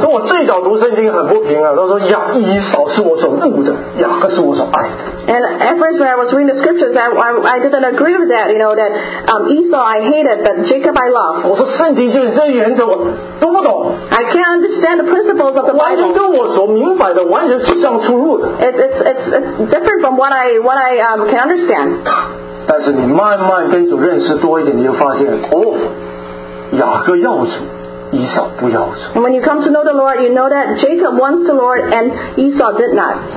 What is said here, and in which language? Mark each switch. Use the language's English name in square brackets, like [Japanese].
[Chinese] 所以我最早读圣经很不平啊，他说雅以扫是我所恶的，雅各是我所爱的。 [English] And at first when I was reading the scriptures, I didn't agree with that, you know, that Esau I hated, but Jacob I love. [Chinese] 我说圣经就是这原则，我读不懂。 [English] I can't understand the principles of the Bible. [Chinese] 完全跟我所明白的完全是相出入的。 [English] It's different from what I can understand. [Chinese] 但是你慢慢跟主认识多一点，你就发现， 雅各要主。 [English] And when you come to know the Lord, you know that Jacob wants the Lord and Esau did not.